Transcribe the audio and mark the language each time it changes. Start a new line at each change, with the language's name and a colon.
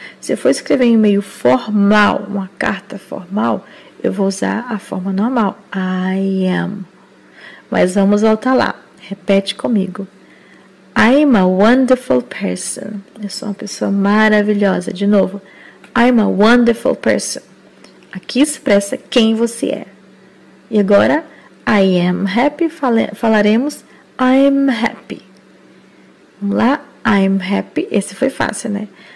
Portuguese: Se eu for escrever em meio formal, uma carta formal, eu vou usar a forma normal,
English: I am.
Portuguese: Mas vamos voltar lá. Repete comigo.
English: I'm a wonderful person.
Portuguese: Eu sou uma pessoa maravilhosa. De novo.
English: I'm a wonderful person.
Portuguese: Aqui expressa quem você é. E agora,
English: I am happy,
Portuguese: falaremos
English: I'm happy.
Portuguese: Vamos lá,
English: I'm happy,
Portuguese: esse foi fácil, né?